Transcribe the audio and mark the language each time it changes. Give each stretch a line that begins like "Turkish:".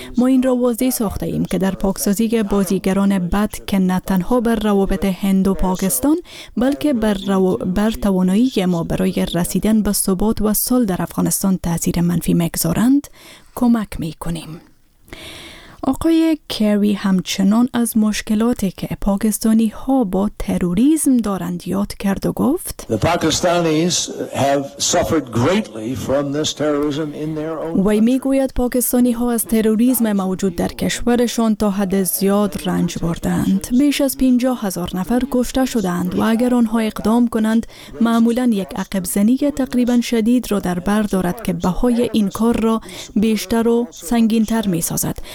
Persian: ما این را واضح ساخته ایم که در پاکسازی بازیگران بد که نه تنها بر روابط هند و پاکستان بلکه بر توانایی ما برای رسیدن به ثبات و صلح در افغانستان تأثیر منفی میگذارند کمک می کنیم. آقای کری همچنان از مشکلاتی که پاکستانی ها با تروریسم دارند یاد کرد و گفت:
English: The Pakistanis have suffered greatly from this terrorism in their own.
Persian: وی می گوید پاکستانی ها از تروریسم موجود در کشورشان تا حد زیاد رنج بردند. بیش از 50,000 نفر کشته شدند و اگر آنها اقدام کنند معمولا یک عقب زنی تقریبا شدید را در بر دارد که بهای این کار را بیشتر و سنگین تر می سازد.